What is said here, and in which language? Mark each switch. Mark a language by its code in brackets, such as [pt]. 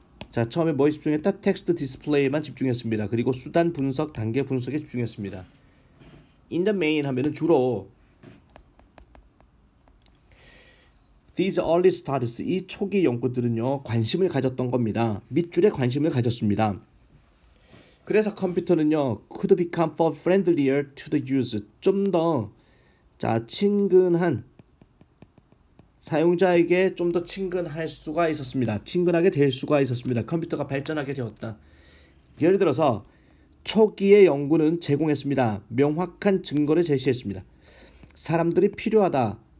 [ko] 자, 처음에 뭐에 집중했다? 텍스트 디스플레이만 집중했습니다. 그리고 수단 분석, 단계 분석에 집중했습니다. [en] In the main [ko] 하면은 주로 [en] These early studies, [ko] 이 초기 연구들은요, 관심을 가졌던 겁니다. 밑줄에 관심을 가졌습니다. 그래서 컴퓨터는요, [en] could become for friendlier to the user. [ko] 좀 더, 자, 친근한, 사용자에게 좀 더 친근할 수가 있었습니다. 친근하게 될 수가 있었습니다. 컴퓨터가 발전하게 되었다. 예를 들어서, 초기의 연구는 제공했습니다. 명확한 증거를 제시했습니다. 사람들이 필요하다.